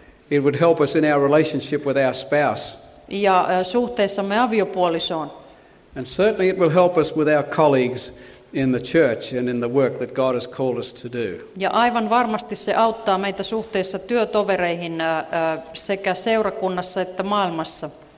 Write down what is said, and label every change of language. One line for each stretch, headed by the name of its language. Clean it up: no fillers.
English: It would help us in our relationship with our spouse.
Finnish: Ja suhteessamme aviopuolisoon.
English: And certainly it will help us with our colleagues in the church and in the work that God has called us to do.
Finnish: Ja aivan varmasti se auttaa meitä suhteessa työtovereihin sekä seurakunnassa että maailmassa.